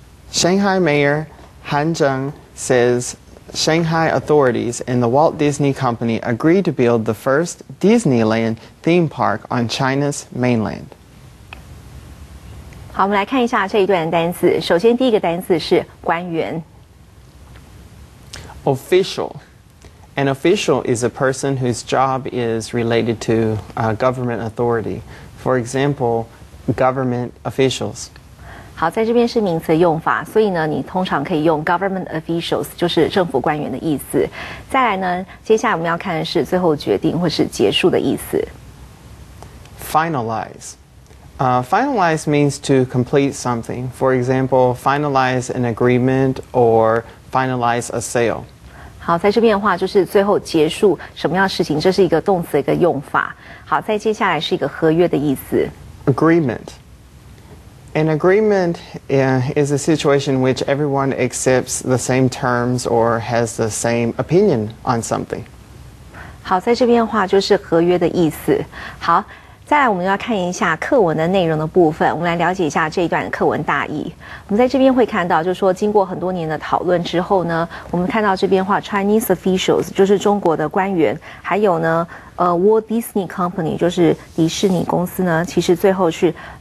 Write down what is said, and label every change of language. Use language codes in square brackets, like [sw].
[en] Shanghai Mayor Han Zheng says Shanghai authorities and the Walt Disney Company agreed to build the first Disneyland theme park on China's mainland. [zh] 好，我们来看一下这一段单词。首先，第一个单词是官员。 [en] Official. An official is a person whose job is related to government authority. For example, government officials. [zh] 好，在这边是名词用法，所以呢，你通常可以用 government officials， 就是政府官员的意思。再来呢，接下来我们要看的是最后决定或是结束的意思。 [en] Finalize. Finalize means to complete something. For example, finalize an agreement or finalize a sale. [zh] 好，在这边的话就是最后结束什么样的事情，这是一个动词的一个用法。好，再接下来是一个合约的意思。 [en] Agreement. An agreement is a situation in which everyone accepts the same terms or has the same opinion on something. [zh] 好，在这边的话就是合约的意思。好，再来我们要看一下课文的内容的部分，我们来了解一下这一段课文大意。我们在这边会看到，就是说经过很多年的讨论之后呢，我们看到这边话 Chinese officials 就是中国的官员，还有呢Walt Disney Company 就是迪士尼公司呢，其实最后是